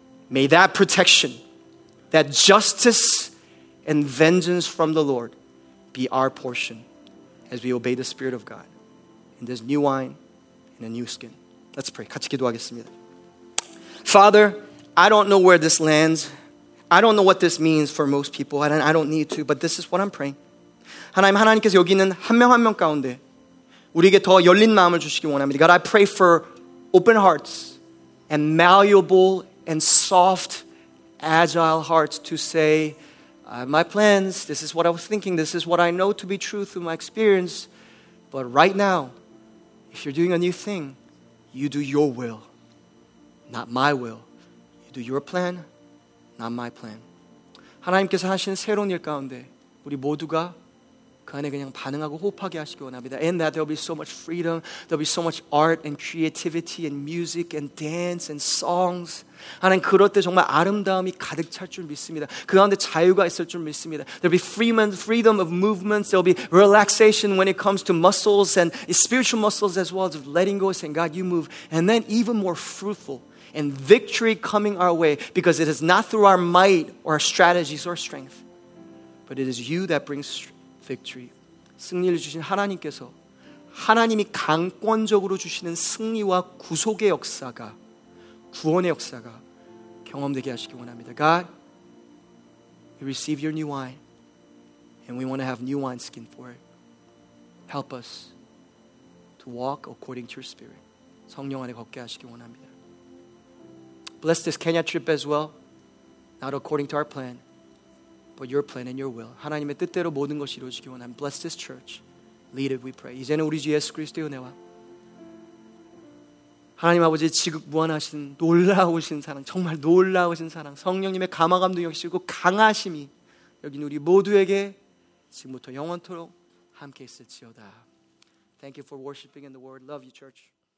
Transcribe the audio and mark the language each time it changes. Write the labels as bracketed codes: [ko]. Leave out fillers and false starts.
[en] May that protection, that justice and vengeance from the Lord be our portion as we obey the Spirit of God in this new wine and a new skin. Let's pray. [ko] 같이 기도하겠습니다. [en] Father, I don't know where this lands. I don't know what this means for most people. I don't need to, but this is what I'm praying. [ko] 하나님, 하나님께서 여기 있는 한 명 한 명 가운데 우리에게 더 열린 마음을 주시기 원합니다. [en] God, I pray for open hearts and malleable and soft, agile hearts to say, my plans, this is what I was thinking, this is what I know to be true through my experience, but right now, if you're doing a new thing, you do your will, not my will. You do your plan, not my plan. [ko] 하나님께서 하신 새로운 일 가운데 우리 모두가 그 안에 그냥 반응하고 호흡하게 하시기 원합니다. [en] And that there'll be so much freedom, there'll be so much art and creativity and music and dance and songs. [ko] 하나님, 그럴 때 정말 아름다움이 가득 찰 줄 믿습니다. 그 가운데 자유가 있을 줄 믿습니다. [en] There'll be freedom of movements, there'll be relaxation when it comes to muscles and spiritual muscles as well as letting go and saying, God, you move. And then even more fruitful and victory coming our way because it is not through our might or our strategies or strength, but it is you that brings strength. Victory. [ko] 승리를 주신 하나님께서 하나님이 강권적으로 주시는 승리와 구속의 역사가 구원의 역사가 경험되게 하시기 원합니다. [en] God, we receive your new wine and we want to have new wine skin for it. Help us to walk according to your spirit. [ko] 성령 안에 걷게 하시기 원합니다. [en] Bless this Kenya trip as well, not according to our plan. But your plan and your will. [ko] 하나님의 뜻대로 모든 것이 이루어지기 원합니다. [en] Bless this church. Lead it, we pray. [ko] 이제는 우리 주 예수 그리스도의 은혜와 하나님 아버지의 지극 무한하신 놀라우신 사랑, 정말 놀라우신 사랑, 성령님의 감화 감동이시고 강하심이 여기 우리 모두에게 지금부터 영원토록 함께 있을지어다. [en] Thank you for worshiping in the word. Love you, church.